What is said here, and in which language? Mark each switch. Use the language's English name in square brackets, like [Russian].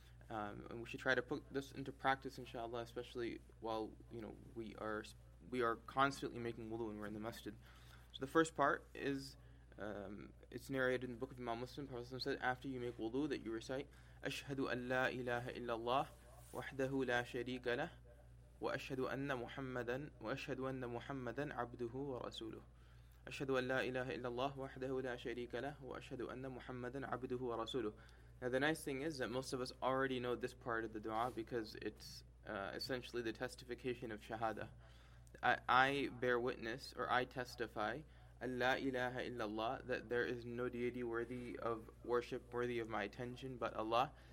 [English] And we should try to put this into practice, inshallah, especially while we are constantly making wudu when we're in the masjid. So the first part is it's narrated in the book of Imam Muslim. Prophet ﷺ said, after you make wudu, that you recite, [Arabic] "Ashhadu an la ilaha illallah." وحده لا شريك له وأشهد أن محمدا عبده ورسوله أشهد أن لا إله إلا الله وحده لا شريك له وأشهد أن محمدا عبده ورسوله. [English] Now the nice thing is that most of us already know this part of the dua because it's essentially the testification of shahada. I bear witness, or I testify, [Arabic] أن لا إله إلا الله, [English] that there is no deity worthy of worship, worthy of my attention, but Allah.